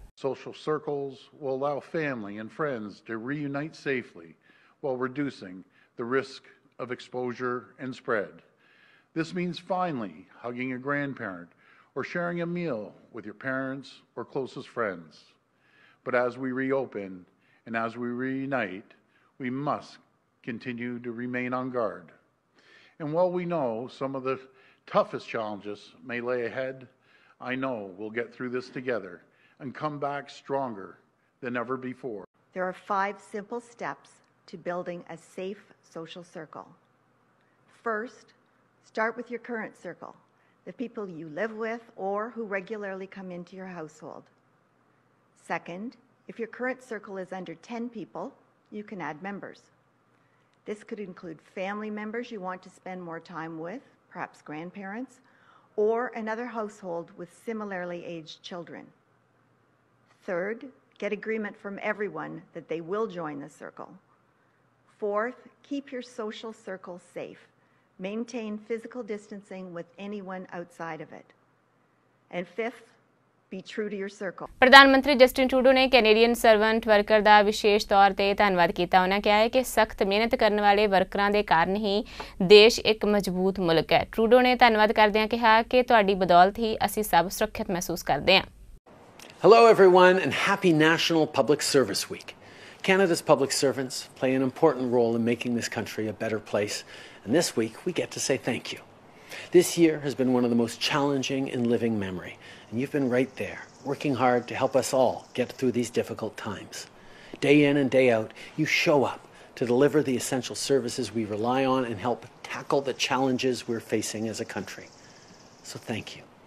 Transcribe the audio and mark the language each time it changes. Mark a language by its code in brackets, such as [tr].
[en] Social circles will allow family and friends to reunite safely while reducing the risk of exposure and spread. This means finally hugging a grandparent or sharing a meal with your parents or closest friends. But as we reopen and as we reunite, we must continue to remain on guard. And while we know some of the toughest challenges may lay ahead, I know we'll get through this together and come back stronger than ever before. There are 5 simple steps to building a safe social circle. First, start with your current circle, the people you live with or who regularly come into your household. Second, if your current circle is under 10 people, you can add members. This could include family members you want to spend more time with, perhaps grandparents, or another household with similarly aged children. Third, get agreement from everyone that they will join the circle. Fourth, keep your social circle safe. Maintain physical distancing with anyone outside of it. And fifth, be true to your circle. [pa] ਪ੍ਰਧਾਨ ਮੰਤਰੀ Justin Trudeau ਨੇ Canadian servant worker ਦਾ ਵਿਸ਼ੇਸ਼ ਤੌਰ ਤੇ ਧੰਨਵਾਦ ਕੀਤਾ। ਉਹਨਾਂ ਕਿਹਾ ਹੈ ਕਿ ਸਖਤ ਮਿਹਨਤ ਕਰਨ ਵਾਲੇ ਵਰਕਰਾਂ ਦੇ ਕਾਰਨ ਹੀ ਦੇਸ਼ ਇੱਕ ਮਜ਼ਬੂਤ ਮੁਲਕ ਹੈ। ਟਰੂਡੋ ਨੇ ਧੰਨਵਾਦ ਕਰਦਿਆਂ ਕਿਹਾ ਕਿ ਤੁਹਾਡੀ ਬਦੌਲਤ ਹੀ ਅਸੀਂ ਸਭ ਸੁਰੱਖਿਅਤ ਮਹਿਸੂਸ ਕਰਦੇ ਹਾਂ। [en] Hello everyone and happy national public service week. Canada's public servants play an important role in making this country a better place, and this week we get to say thank you. This year has been one of the most challenging in living memory, and you've been right there, working hard to help us all get through these difficult times. Day in and day out, you show up to deliver the essential services we rely on and help tackle the challenges we're facing as a country. So thank you.